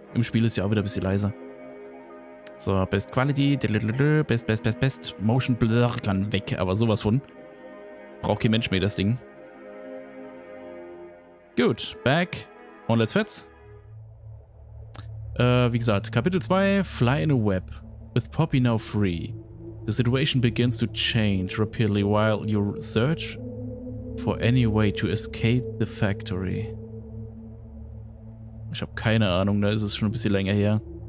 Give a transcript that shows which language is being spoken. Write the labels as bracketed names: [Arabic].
[German] Im Spiel ist ja auch wieder ein bisschen leiser. So, Best Quality, best. Motion Blur kann weg, aber sowas von. Braucht kein Mensch mehr, das Ding. Gut, back und let's fetz. Wie gesagt, Kapitel 2, Fly in a Web. [English] With Poppy now free, the situation begins to change rapidly while you search for any way to escape the factory. [German] Ich habe keine Ahnung, da ist es schon ein bisschen länger her.